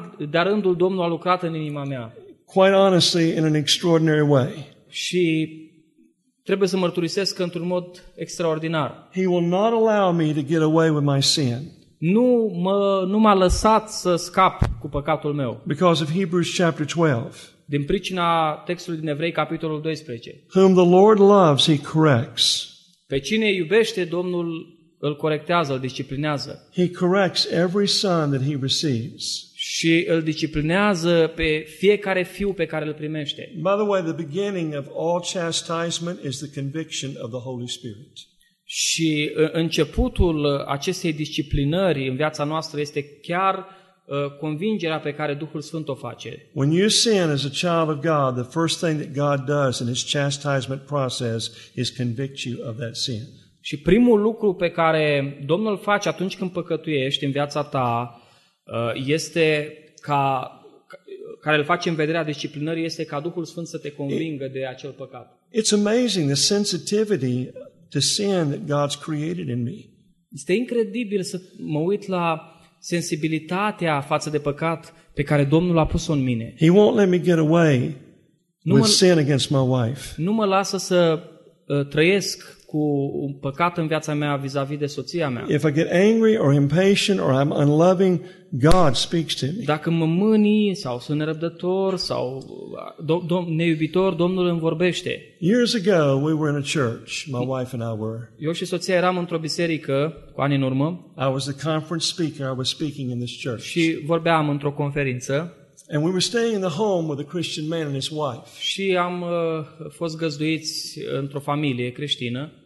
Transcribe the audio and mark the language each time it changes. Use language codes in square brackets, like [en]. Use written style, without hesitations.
[ro] De-a rândul Domnul a lucrat în inima mea. [en] Quite honestly, in an extraordinary way. [ro] Și trebuie să mărturisesc într-un mod extraordinar. [en] He will not allow me to get away with my sin. [ro] Nu m-a lăsat să scap cu păcatul meu. [en] Because of Hebrews chapter 12. [ro] Din pricina textului din Evrei capitolul 12. [en] Whom the Lord loves, He corrects. [ro] Pe cine iubește, Domnul îl corectează, îl disciplinează. [en] He corrects every son that he receives. [ro] Și îl disciplinează pe fiecare fiu pe care îl primește. [en] By the way, the beginning of all chastisement is the conviction of the Holy Spirit. [ro] Și începutul acestei disciplinări în viața noastră este chiar convingerea pe care Duhul Sfânt o face. [en] When you sin as a child of God, the first thing that God does in his chastisement process is convict you of that sin. [ro] Și primul lucru pe care Domnul face atunci când păcătuiești în viața ta este ca care îl face în vederea disciplinării este ca Duhul Sfânt să te convingă de acel păcat. [en] It's amazing the sensitivity to sin that God's created in me. [ro] Este incredibil să mă uit la sensibilitatea față de păcat pe care Domnul a pus-o în mine. [en] He won't let me get away with sin against my wife. [ro] Nu mă lasă să trăiesc cu un păcat în viața mea vis-a-vis de soția mea. [en] If I get angry or impatient or I'm unloving, God speaks to me. [ro] Dacă mă mâni sau sunt nerăbdător sau neiubitor, Domnul îmi vorbește. [en] Years ago, we were in a church, my wife and I were. [ro] Eu și soția eram într-o biserică cu ani în urmă. [en] I was the conference speaker, I was speaking in this church. [ro] Și vorbeam într-o conferință. [en] And we were staying in the home with a Christian man and his wife. [ro] Și am fost găzduiți într-o familie creștină.